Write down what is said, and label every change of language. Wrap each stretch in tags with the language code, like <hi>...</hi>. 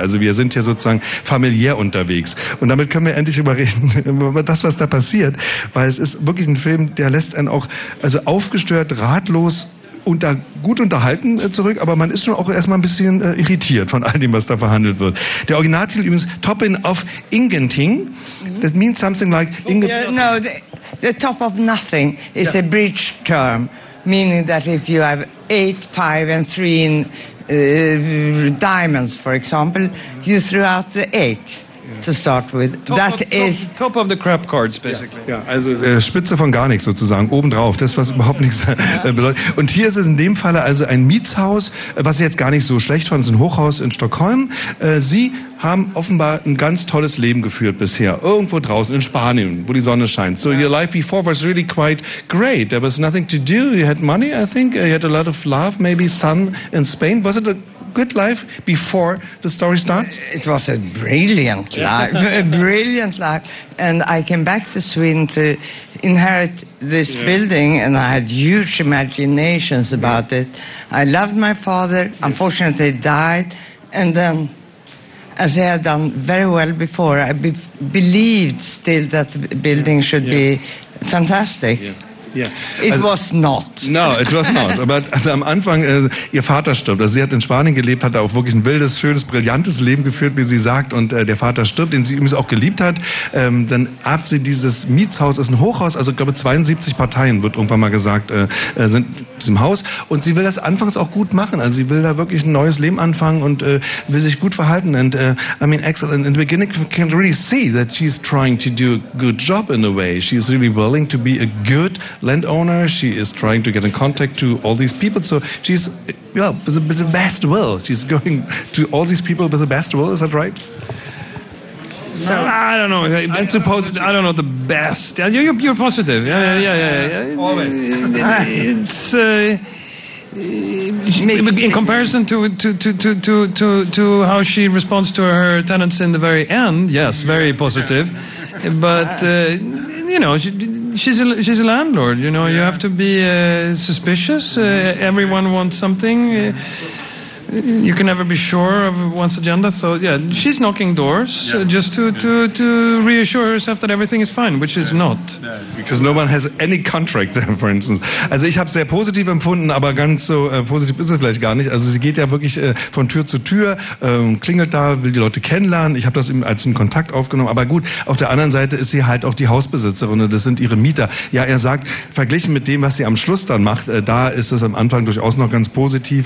<de>Also wir sind hier sozusagen familiär unterwegs. Und damit können wir endlich überreden, über das, was da passiert. Weil es ist wirklich ein Film, der lässt einen auch also aufgestört, ratlos und da gut unterhalten zurück, aber man ist schon auch erstmal ein bisschen irritiert von all dem, was da verhandelt wird. Der Originaltitel übrigens,</de> <en>Toppin of Ingenting, that means something like... The top of nothing is a bridge term, meaning that if you have 8, 5 and 3 in diamonds, for example, you threw out the 8. To start with, top of the crap cards, basically.</en> <de>Ja, also Spitze von gar nichts sozusagen, obendrauf, das was überhaupt nichts bedeutet. Und hier ist es in dem Falle also ein Mietshaus, was ich jetzt gar nicht so schlecht fand, es ist ein Hochhaus in Stockholm. Sie haben offenbar ein ganz tolles Leben geführt bisher, irgendwo draußen in Spanien, wo die Sonne scheint.</de> <en>So your life before was really quite great, there was nothing to do, you had money, I think, you had a lot of love, maybe sun in Spain, was it a good life before the story starts? It was a brilliant life, a brilliant life. And I came back to Sweden to inherit this building, and I had huge imaginations about it. I loved my father, unfortunately died, and then, as I had done very well before, I believed still that the building should be fantastic. Yeah. It was not.</en> <de>Aber also am Anfang, ihr Vater stirbt. Also sie hat in Spanien gelebt, hat auch wirklich ein wildes, schönes, brillantes Leben geführt, wie sie sagt. Und der Vater stirbt, den sie übrigens auch geliebt hat. Dann hat sie dieses Mietshaus, ist ein Hochhaus, also ich glaube 72 Parteien, wird irgendwann mal gesagt, sind im Haus. Und sie will das anfangs auch gut machen. Also sie will da wirklich ein neues Leben anfangen und will sich gut verhalten.</de> <en>And Axel, in the beginning, you can really see that she's trying to do a good job in a way. She's really willing to be a good landowner, she is trying to get in contact to all these people, so she's with the best will. She's going to all these people with the best will, is that right? So, I don't know. I don't know the best. You're positive. Always. In comparison to how she responds to her tenants in the very end, yes, very positive. But you know, she's a landlord. You know, you have to be suspicious. Everyone wants something. You can never be sure of one's agenda. So yeah, she's knocking doors just to reassure herself that everything is fine, which is not. Because no one has any contract, for instance.</en> <de>Also ich habe es sehr positiv empfunden, aber ganz so positiv ist es vielleicht gar nicht. Also sie geht ja wirklich von Tür zu Tür, klingelt da, will die Leute kennenlernen. Ich habe das eben als einen Kontakt aufgenommen. Aber gut, auf der anderen Seite ist sie halt auch die Hausbesitzerin und das sind ihre Mieter. Ja, er sagt, verglichen mit dem, was sie am Schluss dann macht, da ist es am Anfang durchaus noch ganz positiv.</de>